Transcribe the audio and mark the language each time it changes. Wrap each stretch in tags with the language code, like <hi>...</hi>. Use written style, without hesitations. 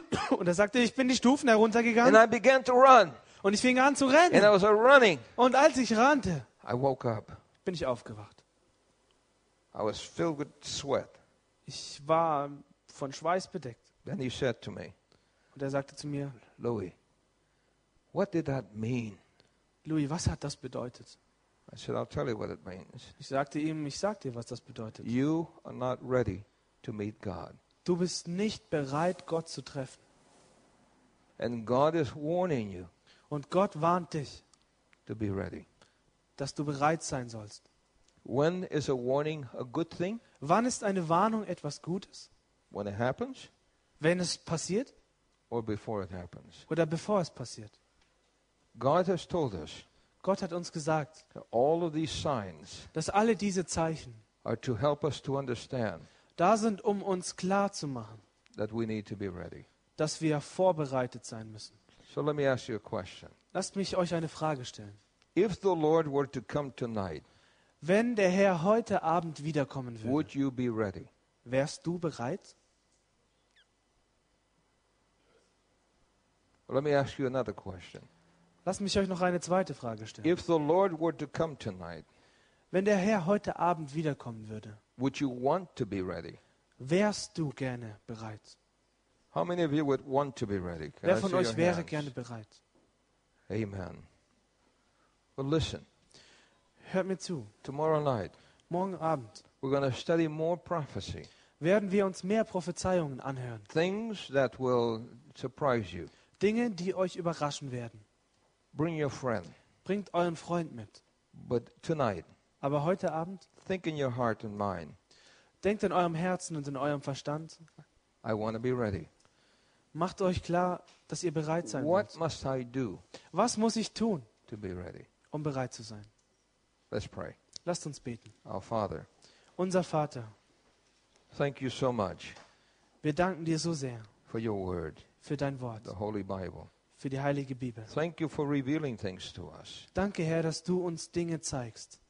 <de>Und er sagte, ich bin die Stufen heruntergegangen.</de> <en>And I began to run.</en> <de>Und ich fing an zu rennen.</de> <en>And I was running.</en> <de>Und als ich rannte,</de> <en>I woke up.</en> <de>Bin ich aufgewacht.</de> <en>I was filled with sweat.</en> <de>Ich war von Schweiß bedeckt.</de> <en>Then he said to me,</en> <de>und er sagte zu mir,</de> <en>Louis, what did that mean?</en> <de>Louis, was hat das bedeutet?</de> <en>I said, I'll tell you what it means.</en> <de>Ich sagte ihm, ich sag dir, was das bedeutet.</de> <en>You are not ready to meet God.</en> <de>Du bist nicht bereit, Gott zu treffen.</de> <en>And God is warning you.</en> <de>Und Gott warnt dich,</de> <en>to be ready.</en> <de>Dass du bereit sein sollst.</de> <en>When is a warning a good thing?</en> <de>Wann ist eine Warnung etwas Gutes?</de> <en>When it happens?</en> <de>Wenn es passiert?</de> <en>Or before it happens.</en> <de>Oder bevor es passiert.</de> <en>God has told us,</en> <de>Gott hat uns gesagt,</de> <en>all of these signs,</en> <de>dass alle diese Zeichen</de> <en>are to help us to understand,</en> <de>da sind, um uns klar zu machen,</de> <en>that we need to be ready.</en> <de>Dass wir vorbereitet sein müssen.</de> <en>So let me ask you a question.</en> <de>Lasst mich euch eine Frage stellen.</de> <en>If the Lord were to come tonight,</en> <de>wenn der Herr heute Abend wiederkommen würde,</de> <en>would you be ready?</en> <de>Wärst du bereit?</de> <en>Let me ask you another question.</en> <de>Lass mich euch noch eine zweite Frage stellen.</de> <en>If the Lord were to come tonight,</en> <de>wenn der Herr heute Abend wiederkommen würde,</de> <en>would you want to be ready?</en> <de>Wärst du gerne bereit?</de> <en>How many of you would want to be ready?</en> <de>Wer von euch wäre gerne bereit?</de> <en>Amen. Well, listen.</en> <de>Hört mir zu.</de> <en>Tomorrow night,</en> <de>morgen Abend,</de> <en>we're going to study more prophecy.</en> <de>werden wir uns mehr Prophezeiungen anhören.</de> <en>Things that will surprise you.</en> <de>Dinge, die euch überraschen werden.</de> <en>Bring your friend.</en> <de>Bringt euren Freund mit.</de> <en>But tonight,</en> <de>aber heute Abend,</de> <en>think in your heart and mind.</en> <de>Denkt in eurem Herzen und in eurem Verstand.</de> <en>I want to be ready.</en> <de>Macht euch klar, dass ihr bereit sein</de> <en>What</en> <de>müsst.</de> <en>Must I do,</en> <de>was muss ich tun,</de> <en>to be ready?</en> <de>Um bereit zu sein?</de> <en>Let's pray.</en> <de>Lasst uns beten.</de> <en>Our Father,</en> <de>unser Vater,</de> <en>thank you so much,</en> <de>wir danken dir so sehr</de> <en>for your word,</en> <de>für dein Wort,</de> <en>the Holy Bible.</en> <de>Für die Heilige Bibel.</de> <en>Thank you for revealing things to us.</en> <de>Danke, Herr, dass du uns Dinge zeigst.</de>